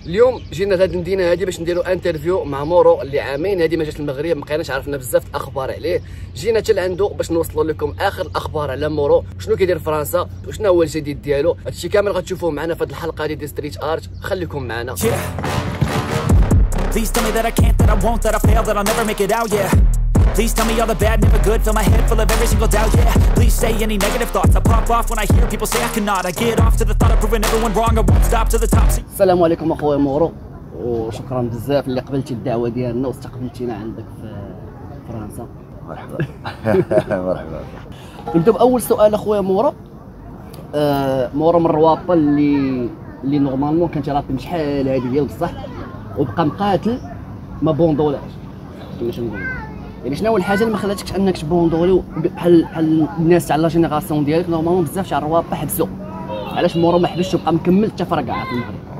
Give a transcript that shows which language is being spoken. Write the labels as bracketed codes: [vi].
[ar] اليوم جينا لهاد المدينه هادي باش نديروا انترفيو مع مورو اللي عامين هادي ما جات المغرب، ما بقيناش عرفنا بزاف الاخبار عليه. جينا حتى لعندو باش نوصلوا لكم اخر الاخبار على مورو، شنو كيدير في فرنسا وشنو هو الجديد ديالو. هادشي كامل غتشوفوه معنا في هاد الحلقه ديال ستريت ارت، خليكم معنا. [en] Please tell me that I can't, that I won't, that I fail, that I'll never make it out, yeah. Please tell me all the bad, never good, fill my head full of every single doubt, yeah. Please say any negative thoughts, I pop off when I hear people say I cannot. I get off to the thought of proving everyone wrong, I won't stop to the top. [ar] Assalamu alaikum akhoya Mouro, وشكرا بزاف اللي قبلتي الدعوة ديالنا واستقبلتينا عندك في فرنسا. مرحبا. نبدأ بأول سؤال أخويا مورو. مورو من الروابط اللي نورمالمون كانت راه شحال هادي ديال بصح وبقى مقاتل ما بوندولاش، كيفاش نقول؟ يعني شنو هو الحاجة اللي ما خلاتكش أنك تبوندولي بحال الناس على [fr] لا جينيراسيون [ar] ديالك؟ نورمالمون بزاف شعر الروابط حبسوا، علاش مورو ما حبسش وبقى مكمل حتى فرقع في المغرب؟